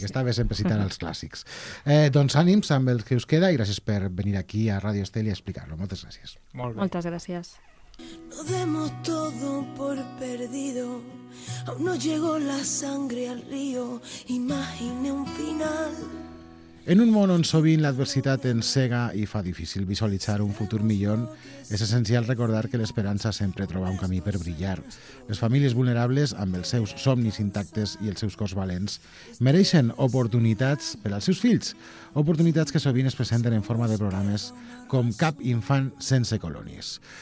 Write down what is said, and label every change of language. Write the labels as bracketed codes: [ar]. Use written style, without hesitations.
[ca] Sí. Està bé sempre citar els clàssics. Doncs ànims amb el que us queda i gràcies per venir aquí a Radio Estel i explicar-lo. Moltes gràcies. Molt bé. Moltes gràcies. [es] No demos todo por perdido, aún no llegó la sangre al río, imagine un final. [ca] En un món on sovint l'adversitat ens cega i fa difícil visualitzar un futur millor, és essencial recordar que l'esperança sempre troba un camí per brillar. Les famílies vulnerables, amb els seus somnis intactes i els seus cors valents, mereixen oportunitats per als seus fills, oportunitats que sovint es presenten en forma de programes com Cap infant sense colònies.